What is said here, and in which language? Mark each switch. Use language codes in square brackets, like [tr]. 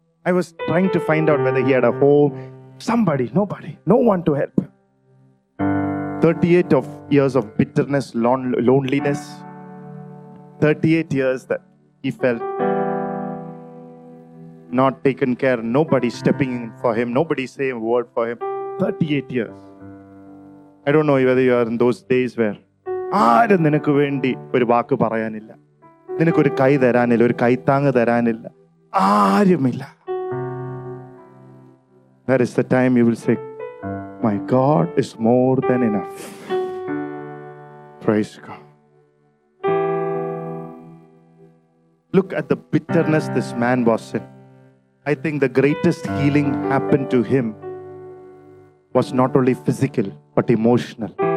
[en] I was trying to find out whether he had a home. Somebody, nobody, no one to help. 38 of years of bitterness, loneliness. 38 years that he felt not taken care of. Nobody stepping in for him. Nobody saying a word for him. 38 years. I don't know whether you are in those days where [ml] ആരും നിനക്ക് വേണ്ടി ഒരു വാക്ക് പറയാനില്ല. നിനക്കൊരു കൈ തരാനില്ല, ഒരു കൈത്താങ് തരാനില്ല. ആരുമില്ല. [en] That is the time you will say, my God is more than enough. Praise God. Look at the bitterness this man was in. I think the greatest healing happened to him was not only physical, but emotional.